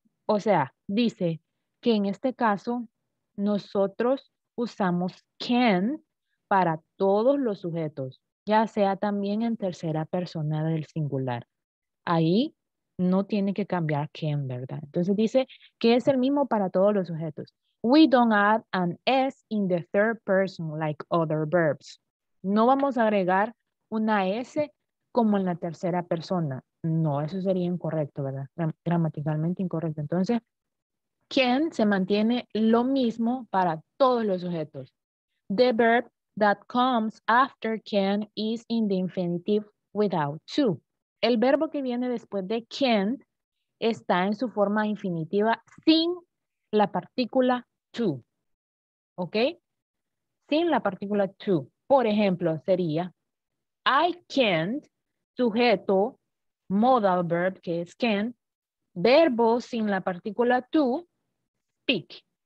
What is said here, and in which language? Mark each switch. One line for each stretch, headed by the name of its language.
Spanish: O sea, dice que en este caso nosotros usamos can para todos los sujetos, ya sea también en tercera persona del singular. Ahí no tiene que cambiar quién, ¿verdad? Entonces dice que es el mismo para todos los sujetos.
English: We don't add an S in the third person like other verbs.
Spanish: No vamos a agregar una S como en la tercera persona. No, eso sería incorrecto, ¿verdad? Gramaticalmente incorrecto. Entonces, can se mantiene lo mismo para todos los sujetos.
English: The verb that comes after can is in the infinitive without to.
Spanish: El verbo que viene después de can está en su forma infinitiva sin la partícula to. ¿Ok? Sin la partícula to. Por ejemplo, sería
English: I can't,
Spanish: sujeto, modal verb, que es can, verbo sin la partícula to, speak.